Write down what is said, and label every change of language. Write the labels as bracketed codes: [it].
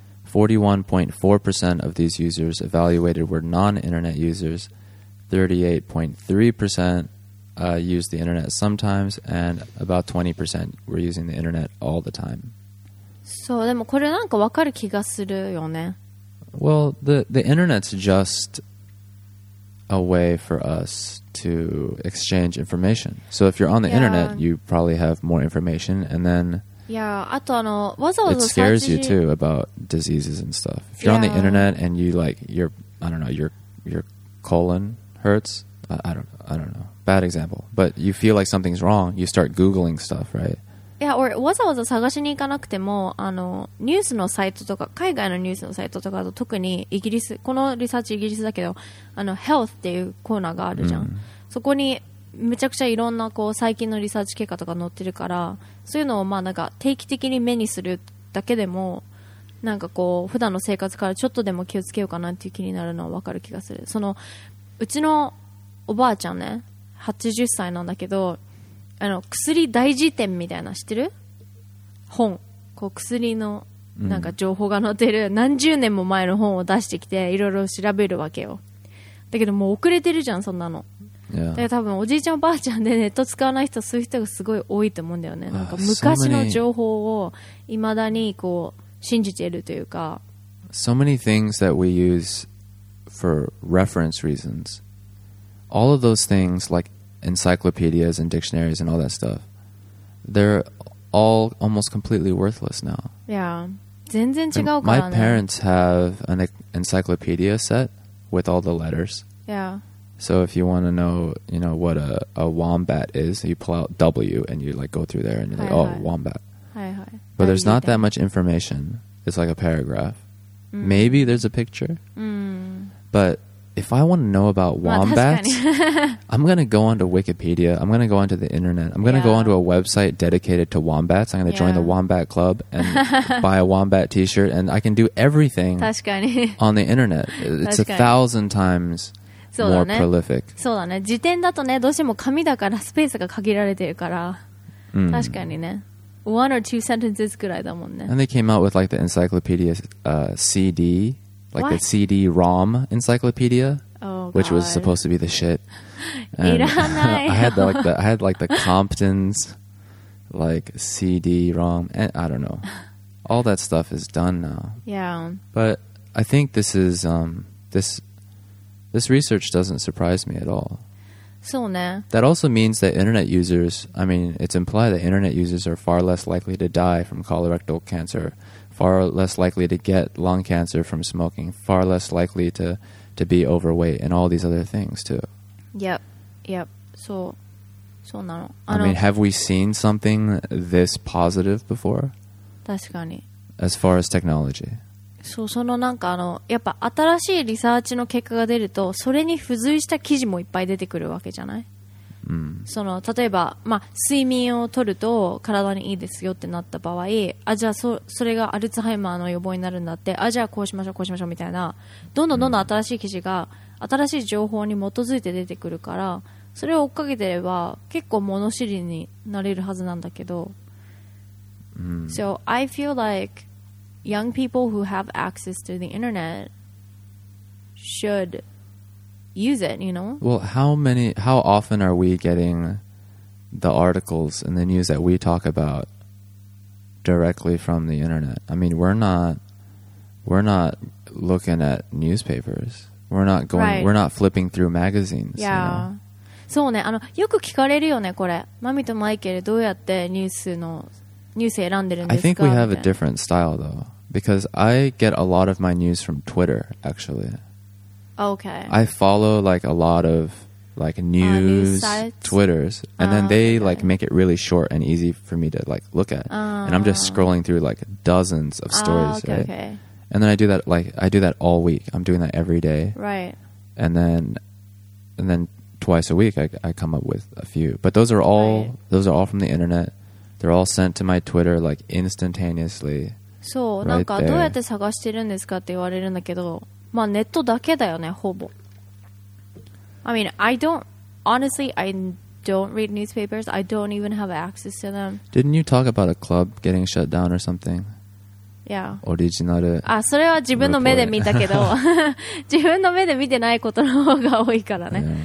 [en] 41.4% of these users evaluated were non-internet users, 38.3% used the internet sometimes, and about 20% were using the internet all the time. [ja] そう、でもこれなんかわかる気がするよね。 [en] Well, the internet's just a way for us to exchange information. So if you're on the internet, you probably have more information, and then it scares you too about diseases and stuff. If you're on the internet and you like your I don't know your colon hurts, I don't know bad example, but you feel like something's wrong, you start googling stuff, right? [ja] いや、俺わざわざ探しに行かなくてもあのニュースのサイトとか海外のニュースのサイトとかだと特にイギリスこのリサーチイギリスだけどあの Health っていうコーナーがあるじゃん、うん、そこにめちゃくちゃいろんなこう最近のリサーチ結果とか載ってるからそういうのをまあなんか定期的に目にするだけでもなんかこう普段の生活からちょっとでも気をつけようかなっていう気になるのは分かる気がする。そのうちのおばあちゃんね80歳なんだけどあの薬大辞典みたいな知ってる本こう薬のなんか情報が載ってる、うん、何十年も前の本を出してきていろいろ調べるわけよ。だけどもう遅れてるじゃんそんなの、 [en] yeah. [ja] だから多分おじいちゃんおばあちゃんでネット使わない人そういう人がすごい多いと思うんだよね。なんか昔の情報をいまだにこう信じてるというか [en] So many things that we use for reference reasons. All of those things likeencyclopedias and dictionaries and all that stuff, they're all almost completely worthless now. [ja] Yeah. 全然違うからね。 [en] My parents have an encyclopedia set with all the letters. Yeah. So if you want to know, you know, what a wombat is, you pull out W and you like go through there and you're like, oh, wombat. But there's not that much information. It's like a paragraph. Mm. Maybe there's a picture. Mm. But if I want to know about wombats, I'm going to go onto Wikipedia. I'm going to go onto the internet. I'm going to go onto a website dedicated to wombats. I'm going to join the Wombat Club and buy a wombat t-shirt. And I can do everything on the internet. It's 1,000 times... More prolific. [ja] そうだね。辞典だとね、どうしても紙だからスペースが限られてるから、mm. 確かにね、 [en] one or two sentences [ja] くらいだもんね。 [en] And they came out with like the encyclopedia CD, like the CD-ROM encyclopedia, which was supposed to be the shit. [ja] いらない。 [en] I had like the Compton's like CD-ROM, and I don't know. All that stuff is done now. Yeah. But I think this is This research doesn't surprise me at all. [ja] そうね。 [en] That also means that internet users, I mean, it's implied that internet users are far less likely to die from colorectal cancer, far less likely to get lung cancer from smoking, far less likely to be overweight and all these other things too. Yep. Yep. So, [ja] そうなの。 [en] I mean, have we seen something this positive before? [ja] 確かに。 [en] As far as technology. [ja] そう、そのなんかあの、やっぱ新しいリサーチの結果が出ると、それに付随した記事もいっぱい出てくるわけじゃない？うん。その、例えば、まあ、睡眠をとると体にいいですよってなった場合、あ、じゃあそれがアルツハイマーの予防になるんだって、あ、じゃあこうしましょう、こうしましょうみたいな、どんどんどんどん新しい記事が、新しい情報に基づいて出てくるから、それを追っかけてれば、結構物知りになれるはずなんだけど、うん。 [en] So, I feel like,young people who have access to the internet should use it, you know? Well, how often are we getting the articles and the news that we talk about directly from the internet? I mean, we're not looking at newspapers. We're not going, right. We're not flipping through magazines. Yeah. You [ja] know? そうね。あの、よく聞かれるよね、これ。マミとマイケルどうやってニュース選んでるんですか? [en] I think we have a different style, though. Because I get a lot of my news from Twitter, actually. Okay. I follow like a lot of like news sites? Twitters, and then they like make it really short and easy for me to like look at. And I'm just scrolling through like dozens of stories, right? Okay. And then I do that all week. I'm doing that every day. Right. And then twice a week I come up with a few, but those are all from the internet. They're all sent to my Twitter like instantaneously. [ja] そう、なんかどうやって探してるんですかって言われるんだけど、まあネットだけだよね、ほぼ。 [en] I mean, I don't, honestly, I don't read newspapers. I don't even have access to them. Didn't you talk about a club getting shut down or something? Yeah. Original. [ja] あ、それは自分の目で見たけど、自分の目で見てないことの方が多いからね。